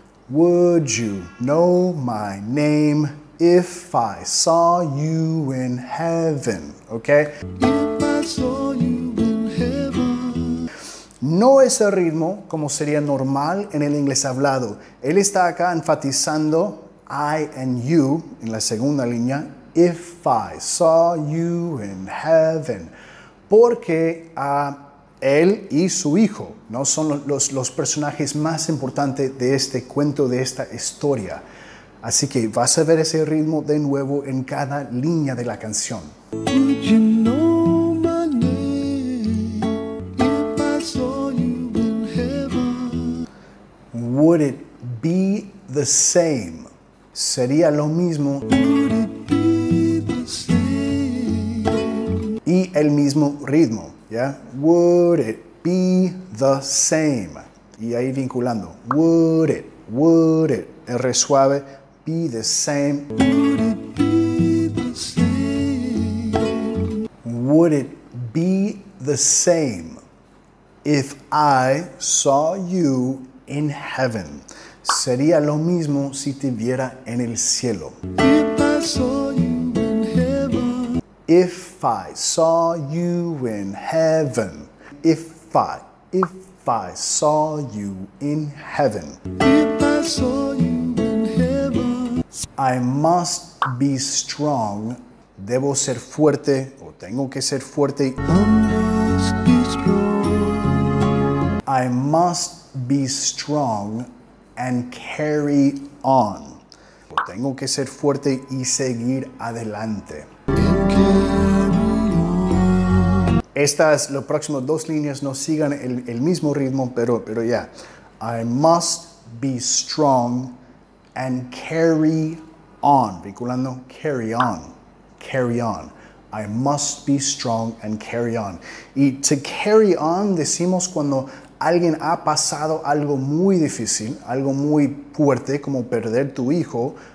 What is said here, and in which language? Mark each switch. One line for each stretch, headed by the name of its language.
English: Would you know my name if I saw you in heaven? Okay? If I saw you in heaven.
Spanish: No es el ritmo como sería normal en el inglés hablado. Él está acá enfatizando
English: I and you
Spanish: en la segunda línea.
English: If I saw you in heaven.
Spanish: Porque él y su hijo, ¿no? Son los personajes más importantes de este cuento, de esta historia. Así que vas a ver ese ritmo de nuevo en cada línea de la canción.
English: Would you know my name if I saw you in heaven? Would it be the same?
Spanish: Sería lo mismo.
English: Would it be the same?
Spanish: Y el mismo ritmo.
English: Yeah, would it be the same?
Spanish: Y ahí vinculando,
English: would it,
Spanish: el re suave,
English: be the same? Would it be the same? Would it be the same if I saw you in heaven?
Spanish: Sería lo mismo si te viera en el cielo.
English: If I saw you in heaven. If I saw you in heaven. If I saw you in heaven. If I saw you in heaven. I must be strong.
Spanish: Debo ser fuerte o tengo que ser fuerte.
English: I must be strong. I must be strong and carry on.
Spanish: O tengo que ser fuerte y seguir adelante. Estas, los próximos 2 líneas no sigan el mismo ritmo, pero ya.
English: Yeah. I must be strong and carry on. Vinculando, carry on, carry on. I must be strong and carry on.
Spanish: Y
English: to carry on
Spanish: decimos cuando alguien ha pasado algo muy difícil, algo muy fuerte, como perder tu hijo.